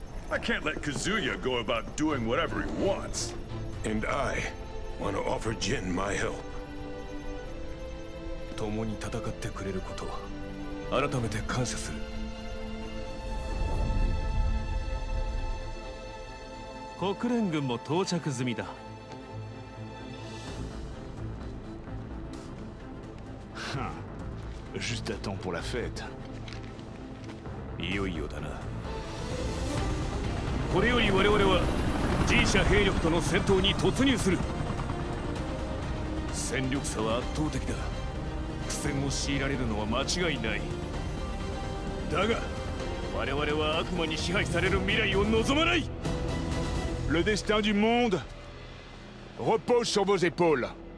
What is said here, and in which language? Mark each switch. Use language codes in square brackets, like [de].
[en] I can't let Kazuya go about doing whatever he wants. And I want to offer Jin my help. [ja] ともに戦ってくれることを改めて感謝する。国連軍も到着済みだ。 [fr] Juste à temps pour la fête. [ja] いよいよだな。これより我々は自社兵力との戦闘に突入する。戦力差は圧倒的だ。苦戦を強いられるのは間違いない。だが、我々は悪魔に支配される未来を望まない。 [fr] Le destin du monde repose sur vos épaules.